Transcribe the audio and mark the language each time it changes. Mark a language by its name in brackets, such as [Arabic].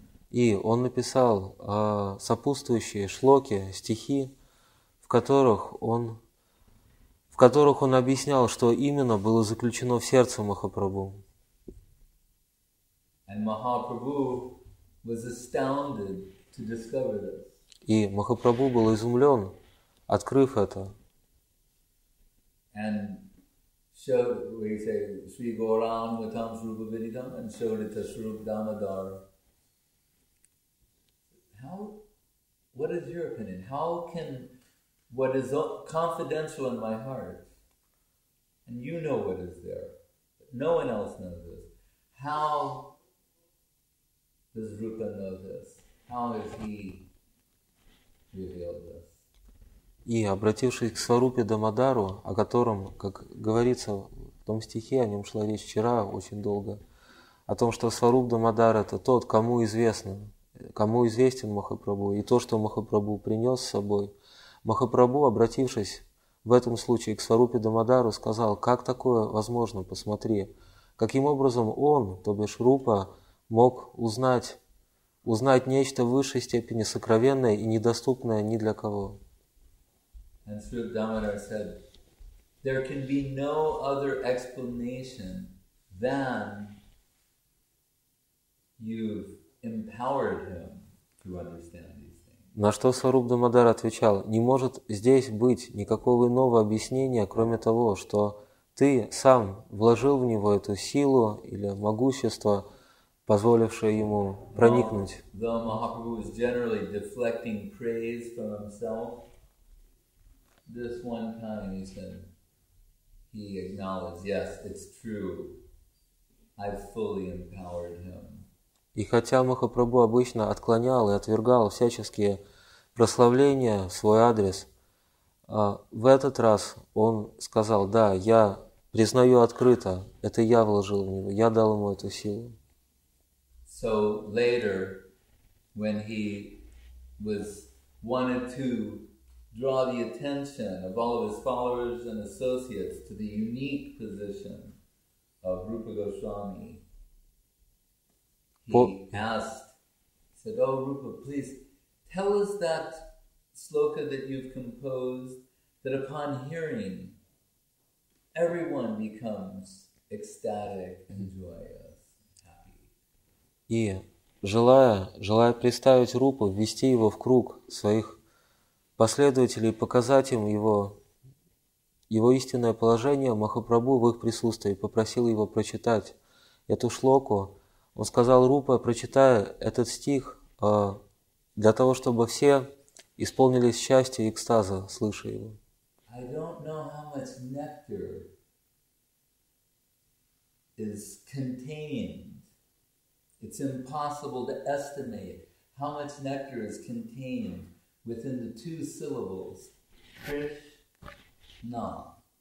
[Russian] И он написал сопутствующие шлоки, стихи, в которых он объяснял, что именно было заключено в сердце Махапрабху. [English] And Mahaprabhu was astounded to discover this. [Russian] И Махапрабху был изумлен, открыв это. [English] And we say Sri Gauran Vatam Srupa Vidhidam and showed it to Srupa Damodara. What is your opinion? How can what is confidential in my heart, and you know what is there, but no one else knows this. How does Rupa know this? How has he revealed this? [Russian] И обратившись к Сварупе Дамодару, о котором, как говорится в том стихе, о нем шла речь вчера очень долго, о том, что Сваруп Дамодар — это тот, кому известен Махапрабху, и то, что Махапрабху принес с собой. Махапрабху, обратившись в этом случае к Сварупе Дамодару, сказал: «Как такое возможно? Посмотри, каким образом он, то бишь Рупа, мог узнать нечто в высшей степени сокровенное и недоступное ни для кого?» [English] And Srupa Damodara said, there can be no other explanation than you've empowered him to understand these things. [Russian] На что Сваруп Дамодар отвечал: не может здесь быть никакого иного объяснения, кроме того, что ты сам вложил в него эту силу или могущество, позволившее ему проникнуть. [English] Though Mahaprabhu was generally deflecting praise from himself, this one time he said, he acknowledged, yes, it's true, I've fully empowered him. [Russian] И хотя Махапрабху обычно отклонял и отвергал всяческие прославления в свой адрес, в этот раз он сказал: да, я признаю открыто, это я вложил в него, я дал ему эту силу. [English] So later, when he was wanted to draw the attention of all of his followers and associates to the unique position of Rupa Goswami, he said, oh Rupa, please tell us that sloka that you've composed, that upon hearing, everyone becomes ecstatic and joyous, happy. [Russian] И желая представить Рупу, ввести его в круг своих последователей, показать им его истинное положение, Махапрабху в их присутствии попросил его прочитать эту шлоку. Он сказал: Рупа, прочитай этот стих для того, чтобы все исполнились счастья и экстаза, слыша его. [English] I don't know how much nectar is contained. It's impossible to estimate how much nectar is contained within the two syllables Krishna.